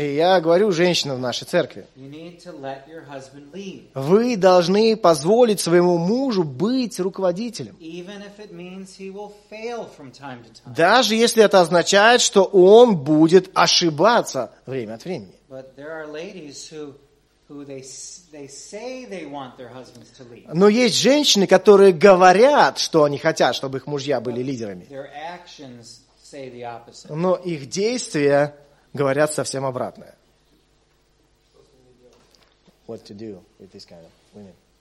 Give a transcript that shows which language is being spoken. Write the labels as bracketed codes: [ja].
[ru] и я говорю женщинам в нашей церкви, [en] you need to let your husband lead. [ru] Вы должны позволить своему мужу быть руководителем. [en] Even if it means he will fail from time to time. [ru] Даже если это означает, что он будет ошибаться время от времени. [en] But there are ladies who they say they want their husbands to lead. [ru] Но есть женщины, которые говорят, что они хотят, чтобы их мужья были лидерами. [en] Their actions say the opposite. [ru] Но их действия говорят совсем обратное. [en] What to do with this kind of women?